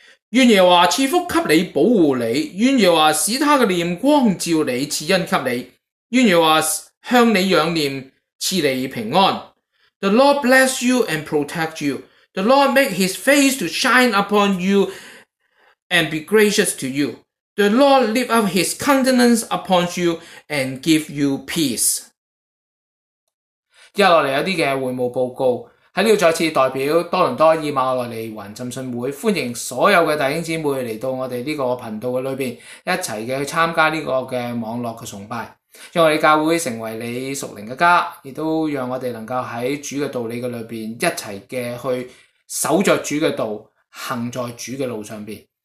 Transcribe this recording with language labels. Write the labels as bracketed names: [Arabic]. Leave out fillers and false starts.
[Chinese] 愿耶和华赐福给你，保护你；愿耶和华使他嘅脸光照你，赐恩给你；愿耶和华向你仰念，赐你平安。 [English] The Lord bless you and protect you. The Lord make his face to shine upon you and be gracious to you. The Lord lift up his countenance upon you and give you peace. [Chinese] 接下来有一些会务报告，在这里再次代表多伦多以马内利云浸信会，欢迎所有的弟兄姊妹来到我们这个频道里面，一起去参加这个网络的崇拜。让我们教会成为你属灵的家，也都让我们能够在主的道理里面一起的去守着主的道，行在主的路上面。